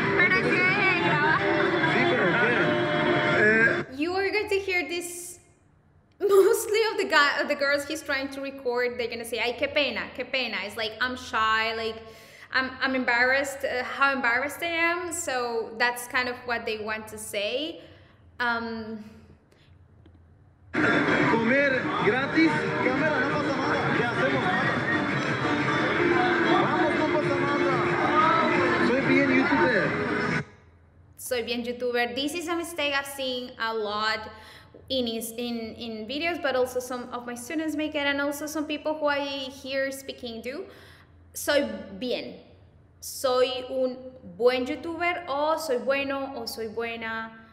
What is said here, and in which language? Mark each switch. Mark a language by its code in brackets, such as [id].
[es] ¿Para qué? Sí, pero qué. [en] You are going to hear this mostly of the guy, of the girls he's trying to record. They're going to say, [es] ay, qué pena, qué pena. [en] It's like, I'm shy, like, I'm embarrassed, how embarrassed I am. So that's kind of what they want to say. [es] Comer gratis, cámara, no pasa nada, ¿qué hacemos? Vamos, no pasa nada. Soy bien YouTuber. Soy bien YouTuber. [en] This is a mistake I've seen a lot in videos, but also some of my students make it, and also some people who I hear speaking do. [es] Soy bien. Soy un buen YouTuber, o soy bueno, o soy buena.